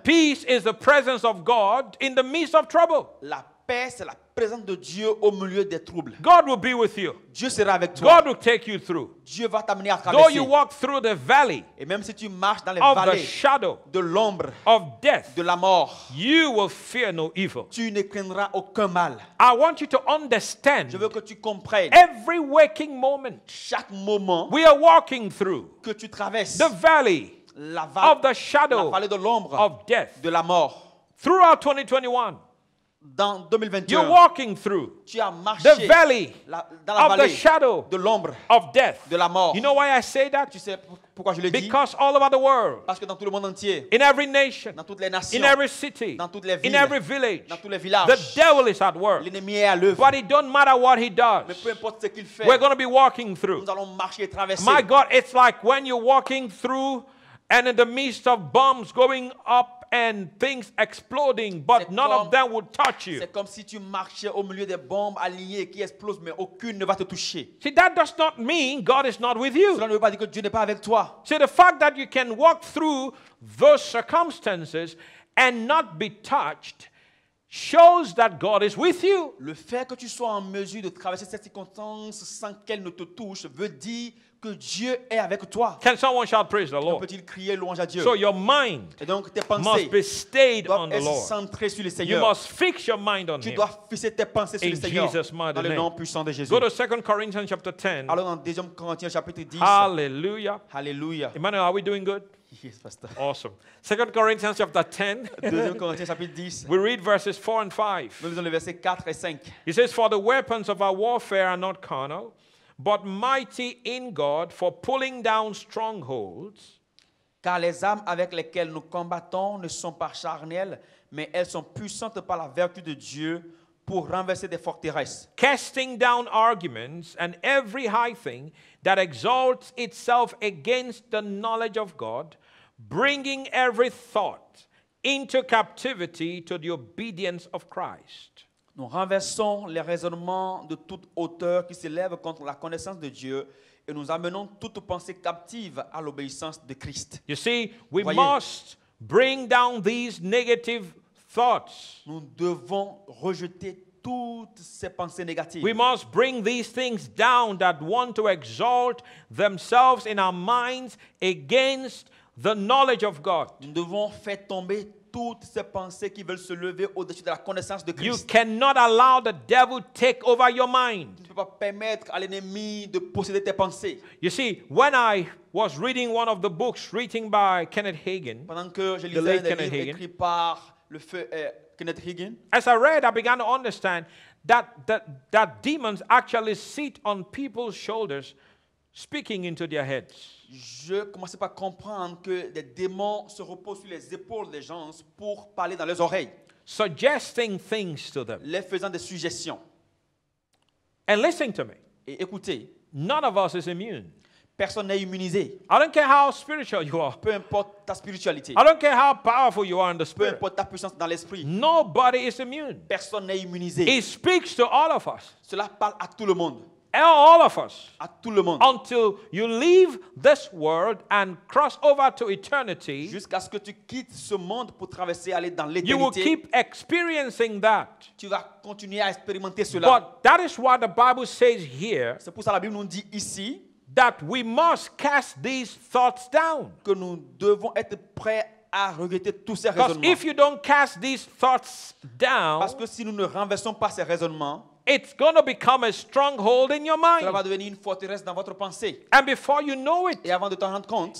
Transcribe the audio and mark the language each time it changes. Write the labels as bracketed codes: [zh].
[en] Peace is the presence of God in the midst of trouble. [fr] La paix, c'est la présence de Dieu au milieu des troubles. [en] God will be with you. [fr] Dieu sera avec toi. [en] God will take you through. [fr] Dieu va t'amener à traverser. [en] Though you walk through the valley, [fr] et même si tu marches dans les vallées, [en] of the shadow, [fr] de l'ombre, [en] of death, [fr] de la mort, [en] you will fear no evil. [fr] Tu ne craindras aucun mal. [en] I want you to understand. [fr] Je veux que tu comprennes. [en] Every waking moment, [fr] chaque moment, [en] we are walking through, [fr] que tu traverses, [en] the valley, [fr] la [en] of the shadow, [fr] la vallée de l'ombre, [en] of death, [fr] de la mort, [en] throughout 2021. [fr] Dans 2021, [en] you're walking through [fr] tu as marché [en] the valley [fr] la, dans la [en] of [fr] vallée [en] the shadow [fr] de l'ombre [en] of death. [fr] De la mort. [en] You know why I say that? [fr] Tu sais pourquoi je le dis? [en] Because all over the world, [fr] parce que dans tout le monde entier, [en] in every nation, [fr] dans toutes les nations, [en] in every city, [fr] dans toutes les villes, [en] in every village, [fr] dans tous les villages, [en] the devil is at work. [fr] L'ennemi est à l'œuvre. [en] But it don't matter what he does. [fr] Mais peu importe ce qu'il fait, [en] we're going to be walking through. [fr] Nous allons marcher et traverser. [en] My God, it's like when you're walking through and in the midst of bombs going up and things exploding, but [fr] c'est [en] none [fr] comme, [en] of them would touch you. [fr] C'est comme si tu marchais au milieu des bombes alliées qui explosent, mais aucune ne va te toucher. [en] See, that does not mean God is not with you. [fr] Cela ne veut pas dire que Dieu n'est pas avec toi. [en] See, the fact that you can walk through those circumstances and not be touched shows that God is with you. [fr] Le fait que tu sois en mesure de traverser cette circonstance sans qu'elle ne te touche veut dire que Dieu est avec toi. [en] Can someone shout praise the Lord? [fr] Peut-il crier louange à Dieu? [en] So your mind [fr] donc, [en] must be stayed on the Lord. [fr] Centré sur le Seigneur. [en] You must fix your mind on [fr] tu [en] him. [fr] Dois fixer tes pensées sur [en] in [fr] le Seigneur. [en] Jesus' mighty [fr] dans le nom [en] name. [fr] Puissant de Jésus. [en] Go to 2 Corinthians chapter 10. [fr] Alors dans 2 Corinthiens chapitre 10. [en] Hallelujah. [fr] Hallelujah. [en] Emmanuel, are we doing good? Yes, Pastor. Awesome. 2 Corinthians chapter 10. [fr] 2 Corinthians chapitre 10. [en] We read verses 4 and 5. [fr] Nous lisons les versets 4 et 5. [en] He says, for the weapons of our warfare are not carnal, but mighty in God for pulling down strongholds. [fr] Car les armes avec lesquelles nous combattons ne sont pas charnelles, mais elles sont puissantes par la vertu de Dieu pour renverser des forteresses. [en] Casting down arguments and every high thing that exalts itself against the knowledge of God, bringing every thought into captivity to the obedience of Christ. [fr] Nous renversons les raisonnements de toute hauteur qui s'élèvent contre la connaissance de Dieu et nous amenons toute pensée captive à l'obéissance de Christ. [en] You see, we [fr] voyez, [en] must bring down these negative thoughts. [fr] Nous devons rejeter toutes ces pensées négatives. [en] We must bring these things down that want to exalt themselves in our minds against the knowledge of God. [fr] Nous devons faire tomber toutes ces pensées qui veulent se lever au-dessus de la connaissance de Christ. [en] You cannot allow the devil take over your mind. [fr] Tu ne peux pas permettre à l'ennemi de posséder tes pensées. [en] You see, when I was reading one of the books written by Kenneth Hagin, [fr] pendant que je lisais un livre écrit par le feu Kenneth Hagin, [en] as I read, I began to understand that demons actually sit on people's shoulders, speaking into their heads. [fr] Je commençais par comprendre que des démons se reposent sur les épaules des gens pour parler dans leurs oreilles. [en] Suggesting things to them. [fr] Les faisant des suggestions. [en] And listen to me. [fr] Et écoutez. [en] None of us is immune. [fr] Personne n'est immunisé. [en] I don't care how spiritual you are. [fr] Peu importe ta spiritualité. [en] I don't care how powerful you are in the spirit. [fr] Peu importe ta puissance dans l'esprit. [en] Nobody is immune. [fr] Personne n'est immunisé. [en] It speaks to all of us. [fr] Cela parle à tout le monde. [en] All of us, [fr] à tout le monde. [en] Until you leave this world and cross over to eternity, [fr] jusqu'à ce que tu quittes ce monde pour traverser aller dans l'éternité, [en] you will keep experiencing that. [fr] Tu vas continuer à expérimenter cela. [en] But that is what the Bible says here. [fr] C'est pour ça la Bible nous dit ici [en] that we must cast these thoughts down. [fr] Que nous devons être prêts à regretter tous ces raisonnements. [en] Because if you don't cast these thoughts down, [fr] parce que si nous ne renversons pas ces raisonnements, [en] it's going to become a stronghold in your mind. [fr] Ça va devenir une forteresse dans votre pensée. [en] And before you know it, [fr] et avant de t'en rendre compte,